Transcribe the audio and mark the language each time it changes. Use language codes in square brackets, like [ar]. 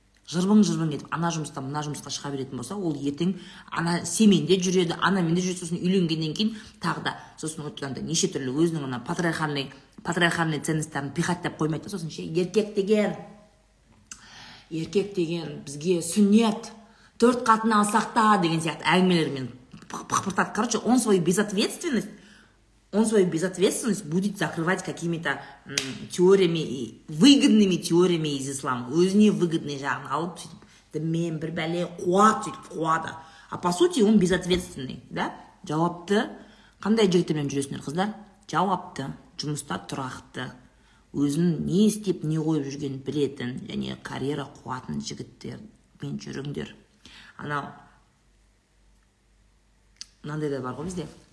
[kk] Жырбың-жырбың етіп, ана жұмыстан мына жұмысқа шыға беретін болса, ол ертең ана семенде жүреді, ана менде жүреді, сосын үйленгеннен кейін тағы да сосын отырғанда неше түрлі өзінің ана патриархальный ценностарын пихаттап қоймайды, сосын ше еркек деген бізге сүннет, төрт қатын алсақ та деген сияқты әңгімелермен пықпыртады. [ru] Короче, он свою безответственность. Он свою безответственность будет закрывать какими-то теориями, выгодными теориями из ислама. [kk] Өзіне выгодный жағын алып, сөйтіп, дімен бір бәле қуат, сөйтіп, қуады. [ru] А по сути, он безответственный, да? [kk] Жауапты, қандай жігіттермен жүресіңдер, қыздар? Жауапты, жұмыста тұрақты, өзін не істеп, не қойып жүрген білетін, және карьера қуатын жігіттермен жүріңдер. Анау, мынандай да бар ғой бізде.